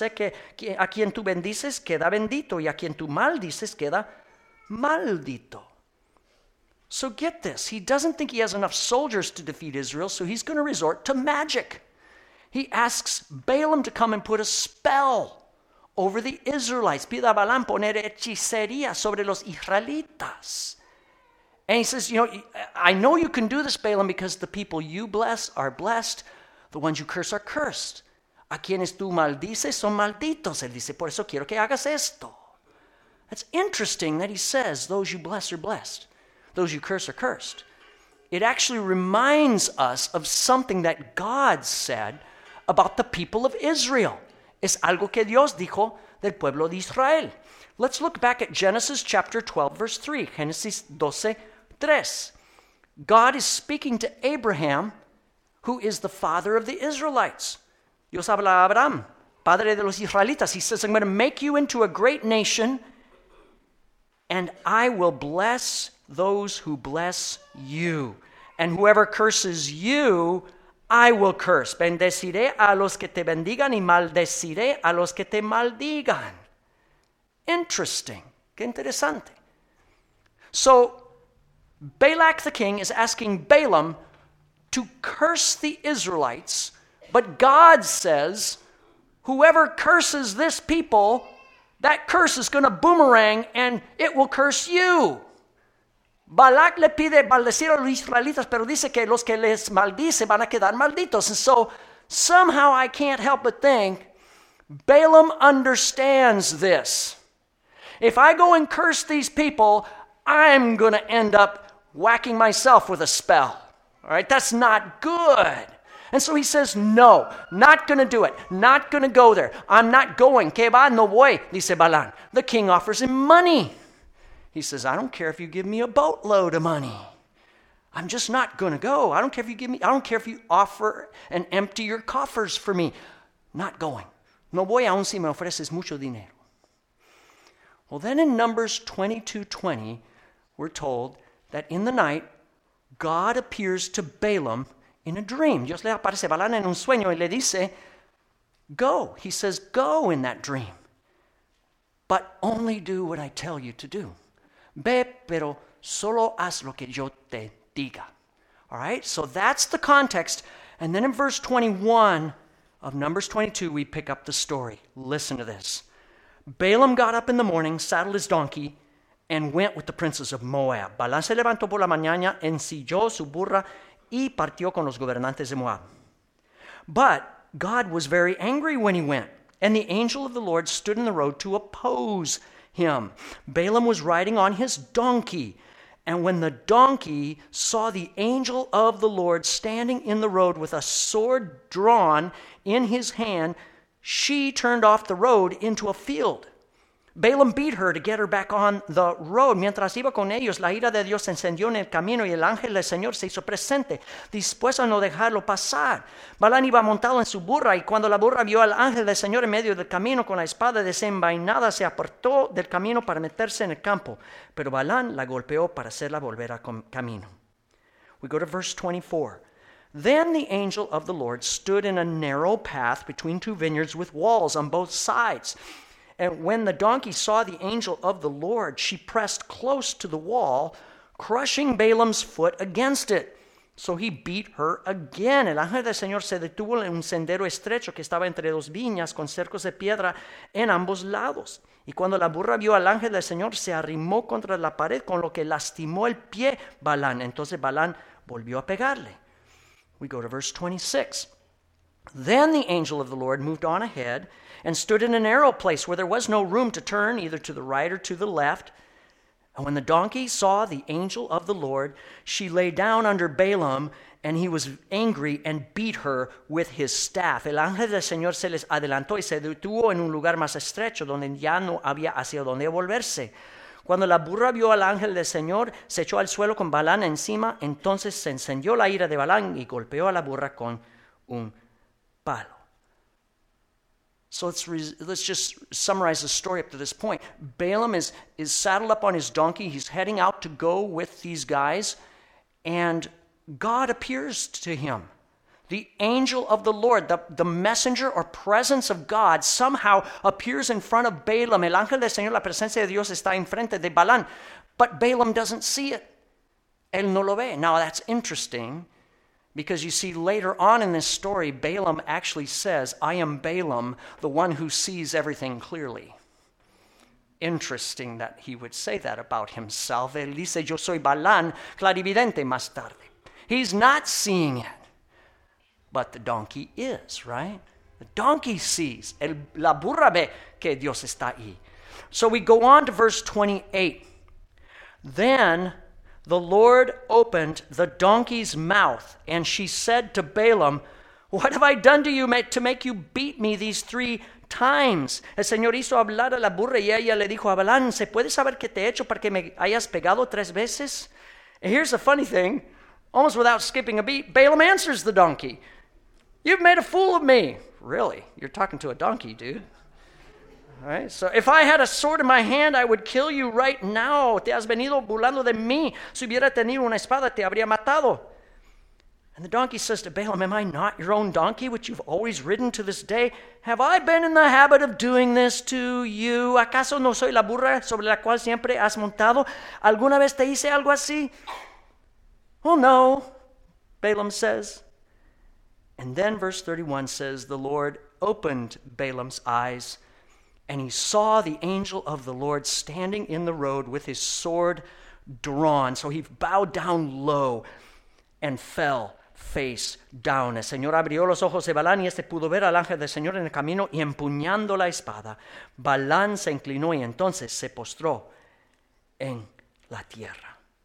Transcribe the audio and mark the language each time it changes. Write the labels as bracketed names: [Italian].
[Spanish] Sé que a quien tú bendices queda bendito, y a quien tú maldices queda maldito. [English] So get this. He doesn't think he has enough soldiers to defeat Israel, so he's going to resort to magic. He asks Balaam to come and put a spell over the Israelites. [Spanish] Pide a Balaam poner hechicería sobre los israelitas. [English] And he says, you know, I know you can do this, Balaam, because the people you bless are blessed. The ones you curse are cursed. [Spanish] A quienes tú maldices son malditos. Él dice, por eso quiero que hagas esto. [English] That's interesting that he says, those you bless are blessed. Those you curse are cursed. It actually reminds us of something that God said about the people of Israel. [Spanish] Es algo que Dios dijo del pueblo de Israel. [English] Let's look back at Genesis chapter 12, verse 3. Genesis 12, 3. God is speaking to Abraham, who is the father of the Israelites. [Spanish] Dios habla a Abraham, padre de los israelitas. [English] He says, I'm going to make you into a great nation, and I will bless those who bless you. And whoever curses you, I will curse. [Spanish] Bendeciré a los que te bendigan y maldeciré a los que te maldigan. [English] Interesting. [Spanish] Qué interesante. [English] So, Balak the king is asking Balaam to curse the Israelites, but God says, whoever curses this people, that curse is going to boomerang and it will curse you. [Spanish] Balak le pide maldecir a los israelitas, pero dice que los que les maldice van a quedar malditos. [English] And so, somehow I can't help but think, Balaam understands this. If I go and curse these people, I'm going to end up whacking myself with a spell. All right, that's not good. And so he says, no, not going to do it. Not going to go there. I'm not going. [Spanish] Que va, no voy, dice Balaam. [English] The king offers him money. He says, I don't care if you give me a boatload of money. I'm just not going to go. I don't care if you offer and empty your coffers for me. Not going. [Spanish] No voy aun si me ofreces mucho dinero. [English] Well, then in Numbers 22:20, we're told that in the night, God appears to Balaam in a dream. [Spanish] Dios le aparece a Balaam en un sueño y le dice, [English] go. He says, go in that dream. But only do what I tell you to do. [Spanish] Ve, pero solo haz lo que yo te diga. [English] All right, so that's the context. And then in verse 21 of Numbers 22, we pick up the story. Listen to this. Balaam got up in the morning, saddled his donkey, and went with the princes of Moab. [Spanish] Balaam se levantó por la mañana, ensilló su burra, y partió con los gobernantes de Moab. [English] But God was very angry when he went, And the angel of the Lord stood in the road to oppose him. Balaam was riding on his donkey. And when the donkey saw the angel of the Lord standing in the road with a sword drawn in his hand, she turned off the road into a field. Balaam beat her to get her back on the road. [Spanish] Mientras iba con ellos, la ira de Dios se encendió en el camino y el ángel del Señor se hizo presente, dispuesto a no dejarlo pasar. Balaam iba montado en su burra y cuando la burra vio al ángel del Señor en medio del camino con la espada desenvainada, se apartó del camino para meterse en el campo. Pero Balaam la golpeó para hacerla volver al camino. [English] We go to verse 24. Then the angel of the Lord stood in a narrow path between two vineyards with walls on both sides. And when the donkey saw the angel of the Lord, she pressed close to the wall, crushing Balaam's foot against it. So he beat her again. [Spanish] El ángel del Señor se detuvo en un sendero estrecho que estaba entre dos viñas con cercos de piedra en ambos lados. Y cuando la burra vio al ángel del Señor, se arrimó contra la pared, con lo que lastimó el pie Balaam. Entonces Balaam volvió a pegarle. [English] We go to verse 26. Then the angel of the Lord moved on ahead and stood in a narrow place where there was no room to turn either to the right or to the left. And when the donkey saw the angel of the Lord, she lay down under Balaam, and he was angry and beat her with his staff. [Spanish] El ángel del Señor se les adelantó y se detuvo en un lugar más estrecho donde ya no había hacia donde volverse. Cuando la burra vio al ángel del Señor, se echó al suelo con Balaam encima, entonces se encendió la ira de Balaam y golpeó a la burra con un palo. [English] So let's just summarize the story up to this point. Balaam is saddled up on his donkey. He's heading out to go with these guys. And God appears to him. The angel of the Lord, the messenger or presence of God, somehow appears in front of Balaam. [Spanish] El ángel del Señor, la presencia de Dios, está enfrente de Balaam. [English] But Balaam doesn't see it. [Spanish] Él no lo ve. [English] Now that's interesting. Because you see, later on in this story, Balaam actually says, I am Balaam, the one who sees everything clearly. Interesting that he would say that about himself. [Spanish] Él dice, yo soy Balaam, clarividente más tarde. [English] He's not seeing it. But the donkey is, right? The donkey sees. [Spanish] La burra ve que Dios está ahí. [English] So we go on to verse 28. Then the Lord opened the donkey's mouth, and she said to Balaam, what have I done to you to make you beat me these three times? [Spanish] El Señor hizo hablar a la burra, y ella le dijo a Balaam, ¿se puede saber qué te he hecho para que me hayas pegado tres veces? [English] And here's the funny thing. Almost without skipping a beat, Balaam answers the donkey. You've made a fool of me. Really? You're talking to a donkey, dude. All right, so if I had a sword in my hand, I would kill you right now. [Spanish] Te has venido burlando de mí. Si hubiera tenido una espada, te habría matado. [English] And the donkey says to Balaam, am I not your own donkey, which you've always ridden to this day? Have I been in the habit of doing this to you? [Spanish] ¿Acaso no soy la burra sobre la cual siempre has montado? ¿Alguna vez te hice algo así? [English] Well, no, Balaam says. And then verse 31 says, the Lord opened Balaam's eyes, and he saw the angel of the Lord standing in the road with his sword drawn. So he bowed down low and fell face down. [Spanish] El Señor abrió los ojos de Balaam y este pudo ver al ángel del Señor en el camino y empuñando la espada. Balaam se inclinó y entonces se postró en la tierra.